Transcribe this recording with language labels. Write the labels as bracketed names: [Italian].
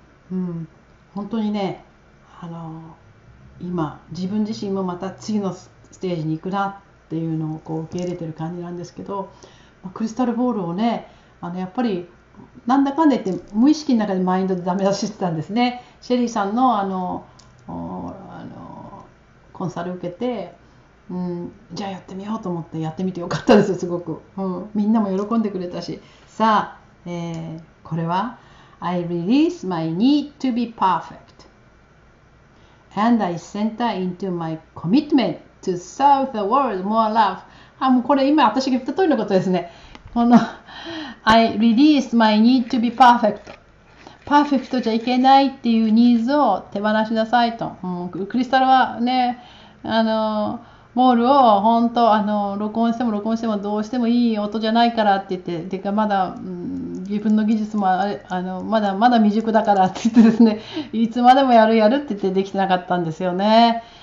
[Japanese] 本当にね、今自分自身もまた次のステージに行くなっていうのをこう受け入れてる感じなんですけど、クリスタルボールをね、やっぱりなんだかんだ言って無意識の中でマインドでダメ出ししてたんですね。シェリーさんの、コンサル受けて、じゃあやってみようと思ってやってみてよかったですよ、すごく。みんなも喜んでくれたし。さあ、これは [English] I release my need to be perfect and I center into my commitment to serve the world more love。 [Japanese] これ今私が言った通りのことですね。この [English] I release my need to be perfect。 [Japanese] パーフェクトじゃいけないっていうニーズを手放しなさいと。クリスタルはね、ボールを本当、録音しても録音してもどうしてもいい音じゃないからって言って、てかまだ、自分の技術もあれ、まだまだ未熟だからって言ってですね、いつまでもやるやるって言ってできてなかったんですよね。